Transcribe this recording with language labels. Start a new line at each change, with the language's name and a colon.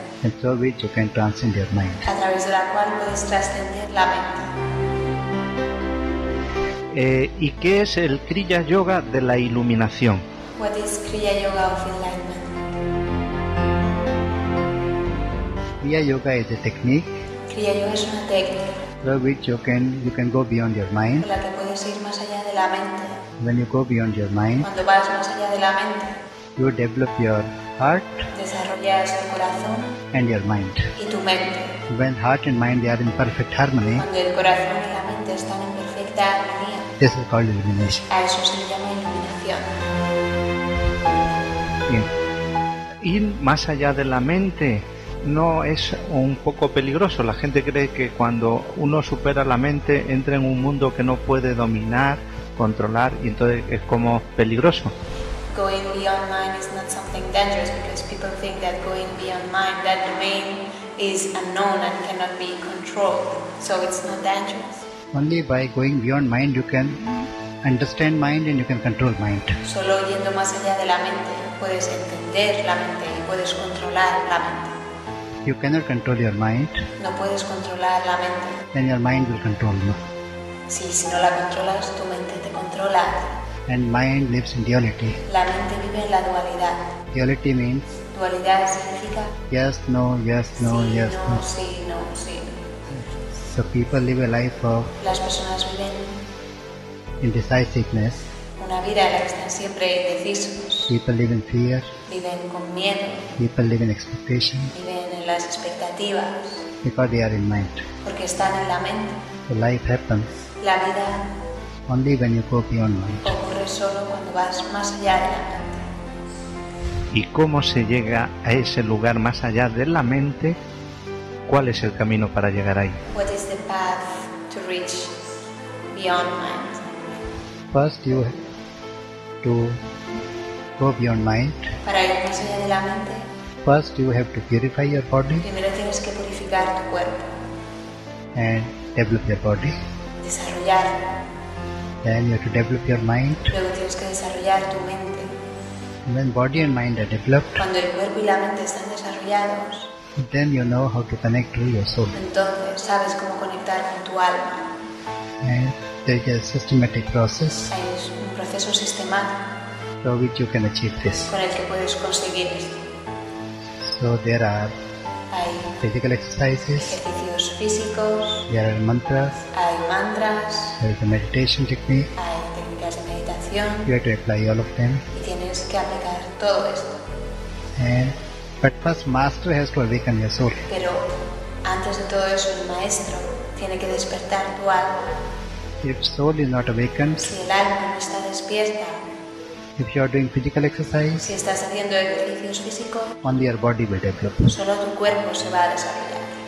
English: And through which you can transcend your mind.
Spanish: A través de la cual puedes trascender la mente. ¿Y qué es el Kriya Yoga de la iluminación?
English: What is Kriya Yoga of enlightenment? Kriya Yoga is a technique.
Spanish: Kriya Yoga es una técnica.
English: Through which you can go beyond your mind.
Spanish: Por la que puedes ir más allá de la mente.
English: When you go beyond your mind.
Spanish: Cuando vas más allá de la mente.
English: You develop your heart.
Spanish: Desarrollas tu corazón.
English: And your mind.
Spanish: Y tu mente.
English: When heart and mind they are in perfect harmony.
Spanish: Cuando el corazón y la mente están en perfecta armonía.
English: This is called illumination.
Spanish: A eso se llama iluminación. Ir más allá de la mente no es un poco peligroso. La gente cree que cuando uno supera la mente entra en un mundo que no puede dominar, controlar, y entonces es como peligroso.
English: Going beyond mind is not something dangerous because people think that going beyond mind, that domain is unknown and cannot be controlled, so it's not dangerous. Only by going beyond mind you can understand mind and you can control mind.
Spanish: Solo yendo más allá de la mente puedes entender la mente y puedes controlar la mente.
English: You cannot control your mind.
Spanish: No puedes controlar la mente.
English: Then your mind will control you.
Spanish: Si no la controlas, tu mente te controla.
English: And mind lives in duality.
Spanish: La mente vive en la dualidad.
English: Duality means.
Spanish: Dualidad significa.
English: Yes, no, yes, no,
Spanish: sí,
English: yes, no.
Spanish: No, sí, no, sí.
English: So people live a life of.
Spanish: Las personas viven.
English: Indecisiveness.
Spanish: Una vida en la que están siempre indecisos.
English: People live in fear.
Spanish: Viven con miedo.
English: People live in expectation.
Spanish: Viven en las expectativas.
English: Because they are in mind.
Spanish: Porque están en la mente.
English: So life happens.
Spanish: La vida.
English: Only when you go beyond mind.
Spanish: Ocurre solo cuando vas más allá de la mente. ¿Y cómo se llega a ese lugar más allá de la mente? ¿Cuál es el camino para llegar ahí?
English: What is the path to reach beyond mind? First, you have to go beyond mind.
Spanish: Para ir más allá de la mente.
English: First, you have to purify your body.
Spanish: Primero tienes que purificar tu cuerpo.
English: And develop your body.
Spanish: Desarrollar.
English: Then you have to develop your mind.
Spanish: Luego tienes que desarrollar tu mente.
English: And when body and mind are developed.
Spanish: Cuando el cuerpo y la mente están desarrollados.
English: Then you know how to connect to your soul.
Spanish: Entonces sabes cómo conectar con tu alma.
English: And there is a systematic process.
Spanish: Es un proceso sistemático.
English: Through which you can achieve this.
Spanish: Con el que puedes conseguir esto.
English: So there are.
Spanish: Hay.
English: Physical exercises.
Spanish: Ejercicios físicos.
English: There are mantras.
Spanish: Hay mantras.
English: There is a meditation technique.
Spanish: Hay técnicas de meditación.
English: You have to apply all of them.
Spanish: Y tienes que aplicar todo esto.
English: And but first, master has to awaken your soul.
Spanish: Pero antes de todo eso, el maestro tiene que despertar tu alma.
English: If soul is not awakened.
Spanish: Si el alma no está despierta.
English: If you are doing physical exercise.
Spanish: Si estás haciendo ejercicios físicos.
English: Only your body will develop.
Spanish: Solo tu cuerpo se va a desarrollar.